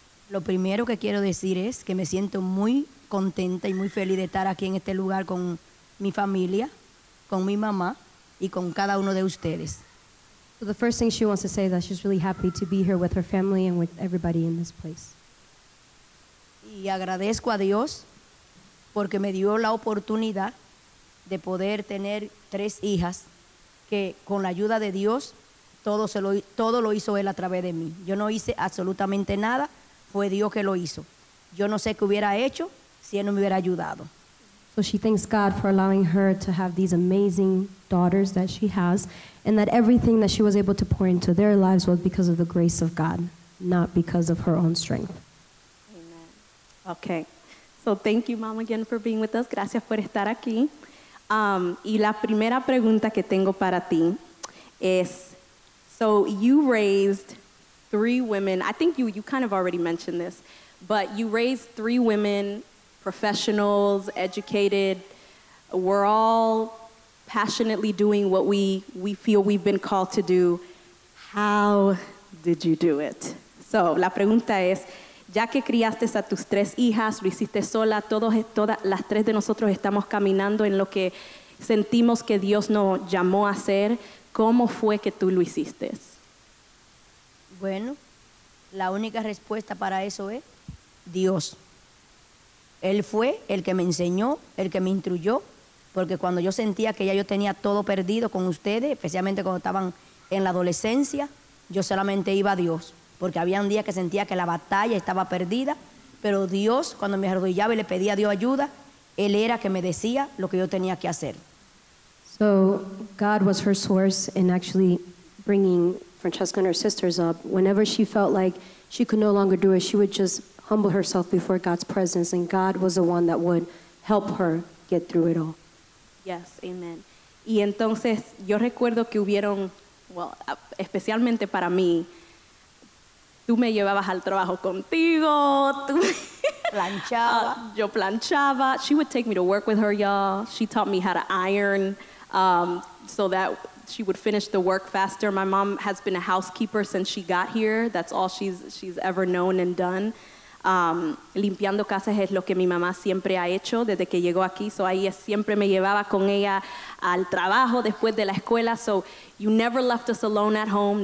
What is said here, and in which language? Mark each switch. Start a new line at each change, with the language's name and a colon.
Spanish: Lo primero que quiero decir es que me siento muy contenta y muy feliz de estar aquí en este lugar con mi familia, con mi mamá. Y con cada uno de ustedes.
English: So the first thing she wants to say is that she's really happy to be here with her family and with everybody in this place.
Spanish: Y agradezco a Dios porque me dio la oportunidad de poder tener tres hijas que con la ayuda de Dios todo lo hizo él a través de mí. Yo no hice absolutamente nada, fue Dios que lo hizo. Yo no sé qué hubiera hecho si él no me hubiera ayudado.
English: So she thanks God for allowing her to have these amazing daughters that she has, and that everything that she was able to pour into their lives was because of the grace of God, not because of her own strength. Amen. Okay. So thank you, Mom, again for being with us.
Spanish: Gracias por estar aquí. Y la primera pregunta que tengo para ti es,
English: so you raised three women. I think you kind of already mentioned this, but you raised three women, professionals, educated, we're all passionately doing what we feel we've been called to do. How did you do it?
Spanish: So, la pregunta es, ya que criaste a tus tres hijas, lo hiciste sola, todas las tres de nosotros estamos caminando en lo que sentimos que Dios nos llamó a hacer, ¿cómo fue que tú lo hiciste? Bueno, la única respuesta para eso es Dios. Él fue el que me enseñó, el que me instruyó, porque cuando yo sentía que ya yo tenía todo perdido con ustedes, especialmente cuando estaban en la adolescencia, yo solamente iba a Dios, porque había un día que sentía que la batalla estaba perdida, pero Dios, cuando me arrodillaba y le pedía a Dios ayuda, Él era que me decía lo que yo tenía que hacer.
English: So, God was her source in actually bringing Francesca and her sisters up. Whenever she felt like she could no longer do it, she would just humble herself before God's presence, and God was the one that would help her get through it all. Yes, amen.
Spanish: Y entonces, yo recuerdo que hubieron, well, especialmente para mí, tú me llevabas al trabajo contigo, tú planchaba. Yo planchaba.
English: She would take me to work with her, y'all. She taught me how to iron so that she would finish the work faster. My mom has been a housekeeper since she got here. That's all she's ever known and done.
Spanish: Limpiando casas es lo que mi mamá siempre ha hecho desde que llegó aquí. So ahí siempre me llevaba con ella al trabajo después de la escuela.
English: So you never left us alone at home.